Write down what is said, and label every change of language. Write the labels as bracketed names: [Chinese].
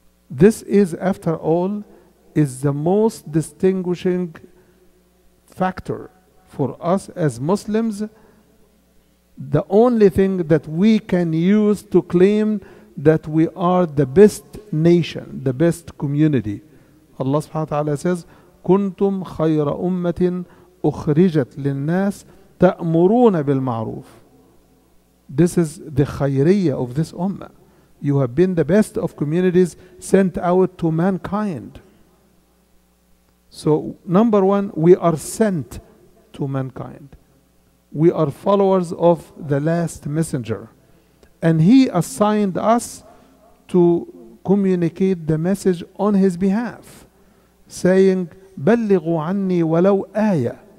[English] This is, after all, is the most distinguishing factor for us as Muslims, the only thing that we can use to claim that we are the best nation, the best community. Allah subhanahu wa ta'ala says, [Arabic] كُنْتُمْ خَيْرَ أُمَّةٍ أُخْرِجَتْ لِلنَّاسِ تَأْمُرُونَ بِالْمَعْرُوفِ. [English] This is the khayriya of this ummah. You have been the best of communities sent out to mankind. So number one, we are sent to mankind. We are followers of the last messenger. And he assigned us to communicate the message on his behalf, saying, [Arabic] بَلِّغُوا عَنِّي وَلَوْ آيَةً.